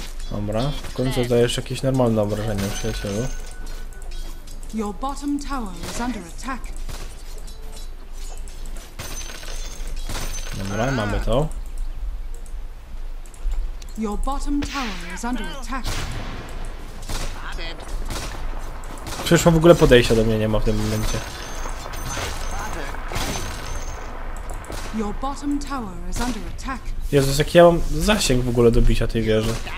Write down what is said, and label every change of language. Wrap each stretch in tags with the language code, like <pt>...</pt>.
<pl>Dobra, w końcu dajesz jakieś normalne obrażenia, przyjacielu.</pl> <en>Your bottom tower is under attack.</en> <pl>Dobra, mamy to.</pl> <en>Your bottom tower is under attack.</en> <pl>Przecież on w ogóle podejścia do mnie nie ma w tym momencie.</pl> <en>Your bottom tower is under attack.</en> <pl>Jezus, jaki ja mam zasięg w ogóle do bicia tej wieży.</pl>